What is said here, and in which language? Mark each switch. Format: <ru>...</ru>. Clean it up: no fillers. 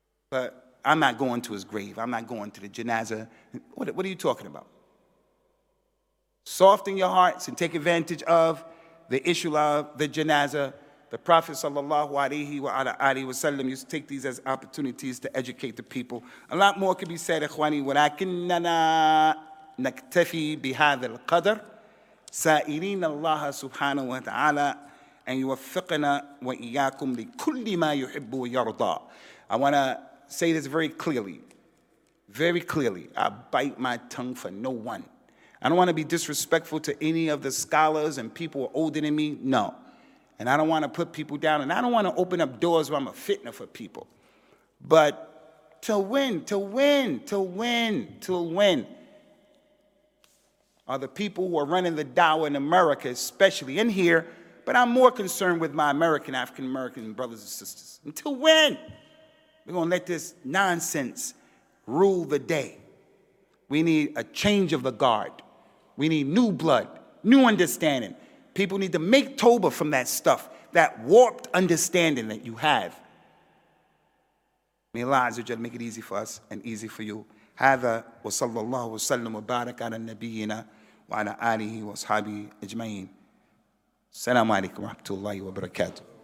<en>But I'm not going to his grave. I'm not going to the janazah. What are you talking about? Soften your hearts and take advantage of the issue of the janazah. The Prophet sallallahu alayhi wa alayhi wa sallam used to take these as opportunities to educate the people. A lot more could be said,</en> <ar>ikhwani, walakinna نكتفي بهذا القدر سائلين الله سبحانه وتعالى أن يوفقنا وإياكم لكل ما يحب ويرضى.</ar> <en>I want to say this very clearly. Very clearly. I bite my tongue for no one. I don't want to be disrespectful to any of the scholars and people older than me. No. And I don't want to put people down. And I don't want to open up doors where I'm a fitna for people. But till when? Till when? Till when? Till when? Are the people who are running the dawah in America, especially in here, but I'm more concerned with my American, African-American brothers and sisters. Until when? We're going to let this nonsense rule the day. We need a change of the guard. We need new blood, new understanding. People need to make Toba from that stuff, that warped understanding that you have. May Allah Azza wa Jalla make it easy for us and easy for you.</en> <ar>هذا وصلى الله وسلم وبارك على نبينا وعلى آله وصحابه أجمعين. السلام عليكم ورحمة الله وبركاته.</ar>